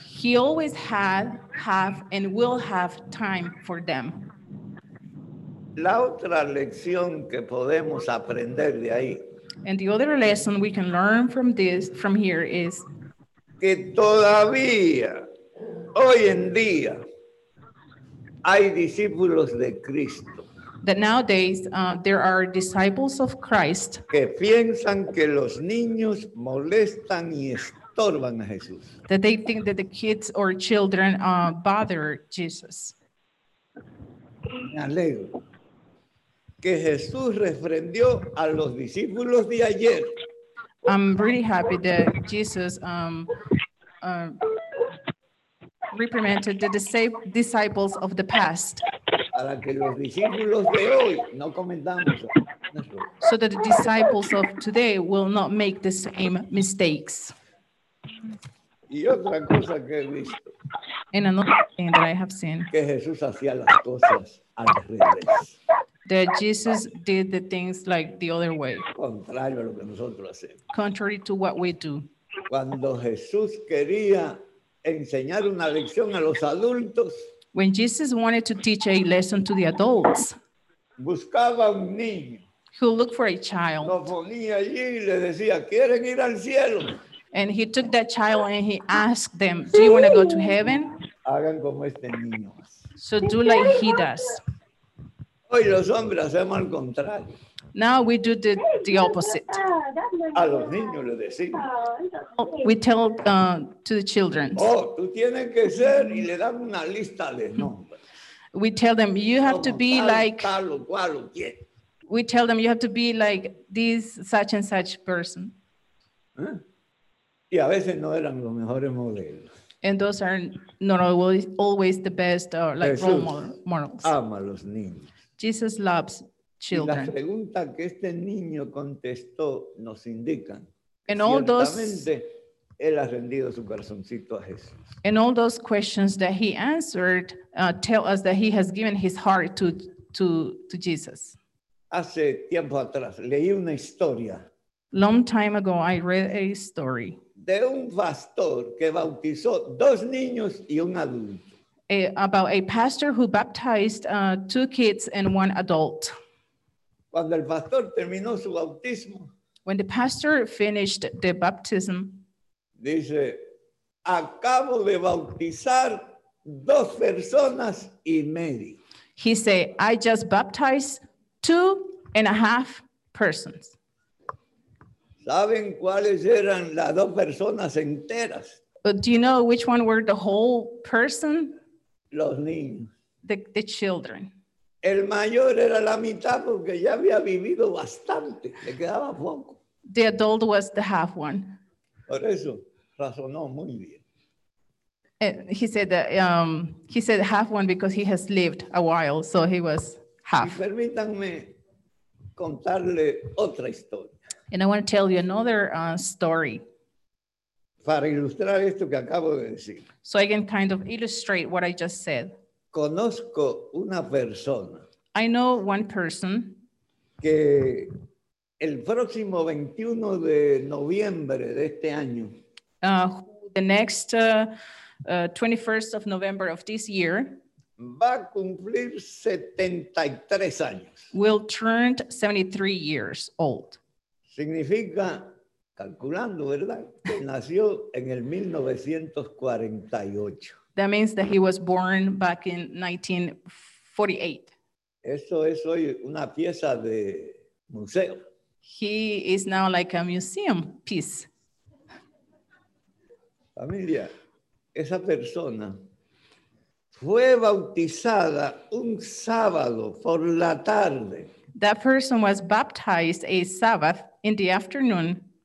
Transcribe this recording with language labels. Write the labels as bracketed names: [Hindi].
[English] He always have and will have time for them. [Spanish] La otra lección que podemos aprender de ahí. [English] And the other lesson we can learn from here is [Spanish] que todavía hoy en día hay discípulos de Cristo. [English] That nowadays there are disciples of Christ [Spanish] que piensan que los niños molestan y estorban a Jesús. [English] That they think that the kids or children bother Jesus. [Spanish] Me alegro que Jesús reprendió a los discípulos de ayer. [English] I'm really happy that Jesus reprimanded the disciples of the past. [Spanish] Para que los discípulos de hoy no cometamos. [English] So that the disciples of today will not make the same mistakes. [Spanish] Y otra cosa que he visto. [English] And another thing that I have seen. [Spanish] Que Jesús hacía las cosas al revés. [English] That Jesus did the things like the other way. [Spanish] Contrario a lo que nosotros hacemos. [English] Contrary to what we do. [Spanish] Cuando Jesús quería enseñar una lección a los adultos. [English] When Jesus wanted to teach a lesson to the adults, [Spanish] buscaba un niño. [English] He looked for a child. [Spanish] Lo ponía allí y le decía, ¿quieren ir al cielo? [English] And he took that child and he asked them, do you want to go to heaven? [Spanish] Hagan como este niño. [English] So do like he does. [Spanish] Hoy los hombres hacemos al contrario. [English] Now we do the opposite. [Spanish] A los niños les decimos. [English] Oh, we tell to the children. [Spanish] Oh, tú tienes que ser y le damos una lista de nombres. [English] We tell them you have to be like. [Spanish] Tal, cual, quien. [English] We tell them you have to be like this such and such person. [Spanish] ¿Eh? Y a veces no eran los mejores modelos. [English] And those are not always the best like [Spanish] Jesús [English] role models. [Spanish] Ama a los niños. [English] Jesus loves children. [Spanish] La pregunta que este niño contestó nos indica. [English] And all [Spanish] ciertamente, [English] those, [Spanish] él ha rendido su corazoncito a Jesús. [English] And all those questions that he answered tell us that he has given his heart to Jesus. [Spanish] Hace tiempo atrás leí una historia. [English] Long time ago, I read a story. [Spanish] De un pastor que bautizó dos niños y un adulto. [English] About a pastor who baptized two kids and one adult. [Spanish] Cuando el pastor terminó su bautismo. [English] When the pastor finished the baptism. [Spanish] Dice, acabo de bautizar dos personas y medio. [English] He said, I just baptized two and a half persons. [Spanish] ¿Saben cuáles eran las dos personas enteras? [English] But do you know which one were the whole person? [Spanish] Los niños. [English] The children. [Spanish] El mayor era la mitad porque ya había vivido bastante. Le quedaba poco. [English] The adult was the half one. [Spanish] Por eso razonó muy bien. [English] He said that he said half one because he has lived a while, so he was half. [Spanish] Y permítanme contarle otra historia. [English] And I want to tell you another story. [Spanish] Para ilustrar esto que acabo de decir. [English] So I can kind of illustrate what I just said. [Spanish] Conozco una persona. [English] I know one person. [Spanish] Que el próximo 21 de noviembre de este año. [English] The next 21st of November of this year. [Spanish] Va a cumplir 73 años. [English] Will turn 73 years old. [Spanish] Significa, calculando, ¿verdad? Que nació en el 1948. [English] That means that he was born back in 1948. [Spanish] Eso es hoy una pieza de museo. [English] He is now like a museum piece. [Spanish] Familia, esa persona fue bautizada un sábado por la tarde. [English] That person was baptized a Sabbath in the afternoon.